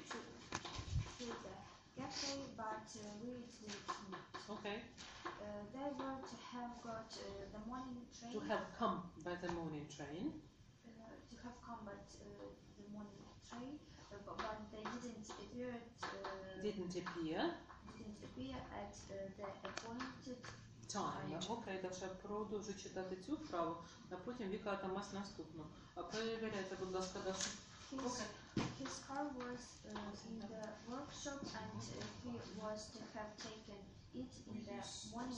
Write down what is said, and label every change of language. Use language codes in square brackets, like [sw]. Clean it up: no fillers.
[en] To the cafe, but we didn't meet. Okay. They were to have got the morning train. To have come by the morning train. To have come by the morning train, but they didn't appear. Didn't appear at the appointed time. Time. [uk] Окей, дальше продовжу читати цю вправу, а потім Віка Атамас наступну. А перевіряйте, будь ласка, дальше. [en] His car was in the workshop and he was to have taken it in the morning.